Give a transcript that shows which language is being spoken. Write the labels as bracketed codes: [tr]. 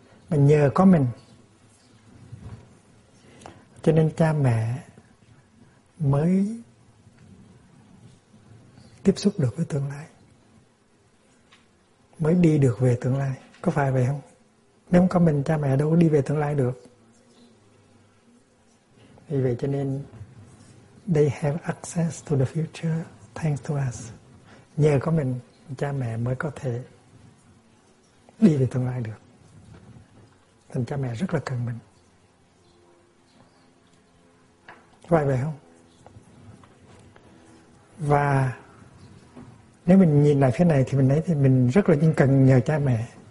[vi] Mình nhờ có mình, cho nên cha mẹ mới tiếp xúc được với tương lai, mới đi được về tương lai. Có phải vậy không? Nếu không có mình, cha mẹ đâu có đi về tương lai được. Vì vậy cho nên [en] they have access to the future thanks to us. [vi] Nhờ có mình, cha mẹ mới có thể đi về tương lai được. Nên cha mẹ rất là cần mình. Vậy vậy không? Và nếu mình nhìn lại phía này thì mình thấy thì mình rất là cần nhờ cha mẹ.